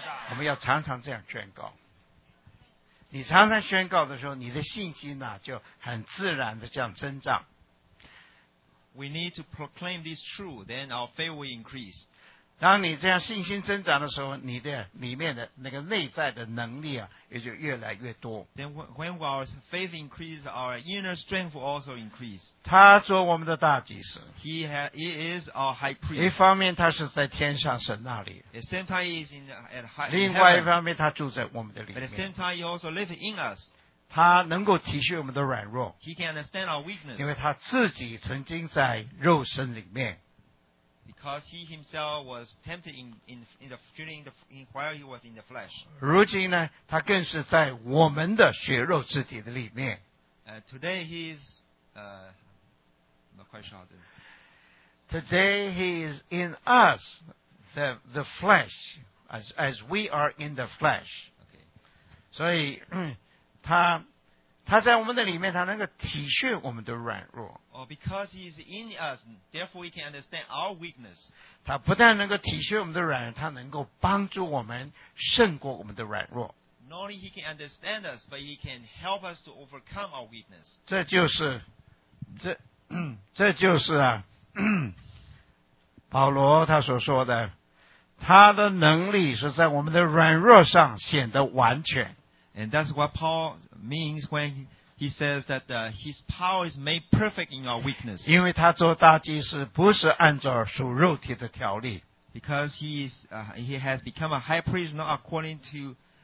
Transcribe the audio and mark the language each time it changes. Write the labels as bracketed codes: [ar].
[zh] 我们要常常这样宣告。你常常宣告的时候，你的信心呢就很自然的这样增长。 [en] We need to proclaim this truth, then our faith will increase. [zh] 当你这样信心增长的时候，你的里面的那个内在的能力啊。也就越来越多。 [en] Then when our faith increases, our inner strength will also increase. [zh] 他做我们的大祭司。 [en] He is our high priest. [zh] 一方面他是在天上神那里。 [en] At the same time, he is at high. [zh] 另外一方面他住在我们的里面。 [en] At the same time, he also lives in us. [zh] 他能够体恤我们的软弱。 [en] He can understand our weakness. [zh] 因为他自己曾经在肉身里面。 [en] Because he himself was tempted in while he was in the flesh. [zh] 如今呢，他更是在我们的血肉之体的里面。 [en] Today he is, I'm not quite sure. Today he is in us, the flesh, as we are in the flesh. Okay. [zh] 所以他在我们的里面，他能够体恤我们的软弱。 [en] Oh, because he is in us, therefore he can understand our weakness. [zh] 他不但能够体恤我们的软弱，他能够帮助我们胜过我们的软弱。 [en] Not only he can understand us, but he can help us to overcome our weakness. [zh] 这就是啊，保罗他所说的，他的能力是在我们的软弱上显得完全。 [en] And that's what Paul means when he says that his power is made perfect in our weakness. [zh] 因为他做大祭司不是按照属肉体的条例。 [en] Because he has become a high priest not according to,